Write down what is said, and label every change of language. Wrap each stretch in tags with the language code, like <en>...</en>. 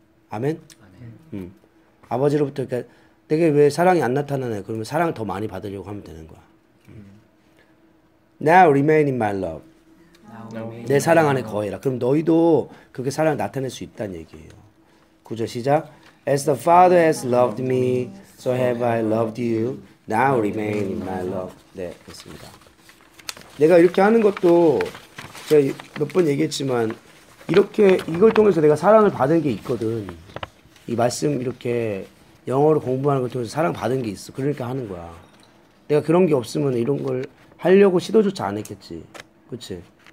<ko>아멘? 아멘. 아버지로부터. 그러니까 내게 왜 사랑이 안 나타나냐. 그러면 사랑을 더 많이 받으려고 하면 되는 거야.</ko> <en>Now remain in my love. Now</en> <ko>내 사랑 안에 거해라. 그럼 너희도 그렇게 사랑을 나타낼 수 있다는 얘기예요. 구절 시작.</ko> <en>As the Father has loved me, so have I loved you. Now remain in my love.</en> <ko>네, 그렇습니다. 내가 이렇게 하는 것도 제가 몇 번 얘기했지만 이렇게 이걸 통해서 내가 사랑을 받은 게 있거든. 이 말씀 이렇게 영어로 공부하는 걸 통해서 사랑받은 게 있어. 그러니까 하는 거야. 내가 그런 게 없으면 이런 걸 하려고 시도조차 안 했겠지. 그치?</ko>